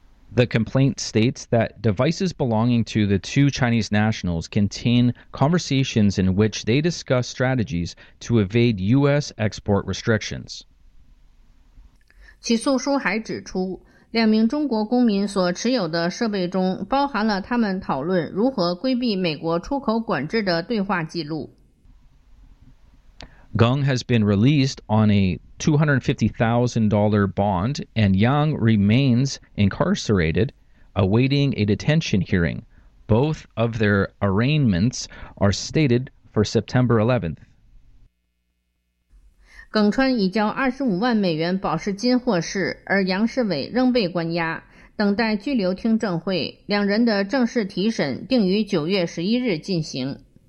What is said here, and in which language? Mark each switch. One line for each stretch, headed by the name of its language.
English: The complaint states that devices belonging to the two Chinese nationals contain conversations in which they discuss strategies to evade U.S. export restrictions.
Chinese: 起诉书还指出，两名中国公民所持有的设备中包含了他们讨论如何规避美国出口管制的对话记录。
English: Gong has been released on a $250,000 bond, and Yang remains incarcerated, awaiting a detention hearing. Both of their arraignments are stated for September 11th.
Chinese: 耿川已交25万美元保释金获释，而杨世伟仍被关押，等待拘留听证会。两人的正式提审定于9月11日进行。